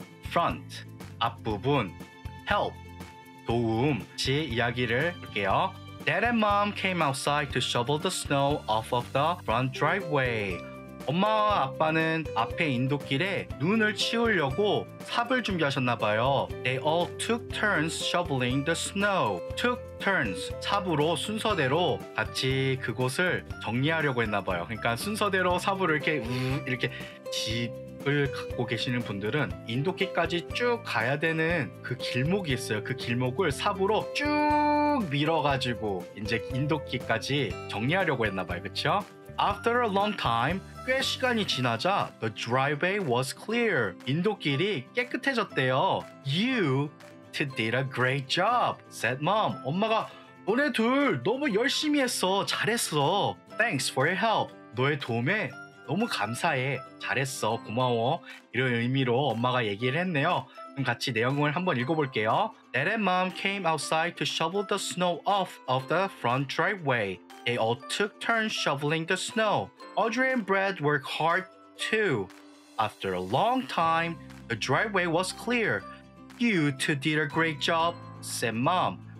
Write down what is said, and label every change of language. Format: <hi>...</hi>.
<ko>Front, 앞부분, help, 도움, 지 이야기를 볼게요.</ko> <en>Dad and Mom came outside to shovel the snow off of the front driveway.</en> <ko>엄마와 아빠는 앞에 인도길에 눈을 치우려고 삽을 준비하셨나 봐요.</ko> <en>They all took turns shoveling the snow. Took turns,</en> <ko>삽으로 순서대로 같이 그곳을 정리하려고 했나 봐요. 그러니까 순서대로 삽을 이렇게 이렇게 지 을 갖고 계시는 분들은 인도길까지 쭉 가야 되는 그 길목이 있어요. 그 길목을 삽으로 쭉 밀어가지고 이제 인도길까지 정리하려고 했나 봐요. 그쵸?</ko> <en>After a long time,</en> <ko>꽤 시간이 지나자</ko> <en>the driveway was clear.</en> <ko>인도길이 깨끗해졌대요.</ko> <en>You did a great job, said mom.</en> <ko>엄마가 너네 둘 너무 열심히 했어. 잘했어.</ko> <en>Thanks for your help.</en> <ko>너의 도움에 너무 감사해. 잘했어. 고마워. 이런 의미로 엄마가 얘기를 했네요. 그럼 같이 내용을 한번 읽어볼게요.</ko> <en>Dad and Mom came outside to shovel the snow off of the front driveway. They all took turns shoveling the snow. Audrey and Brad worked hard too. After a long time, the driveway was clear. You two did a great job, said Mom.</en>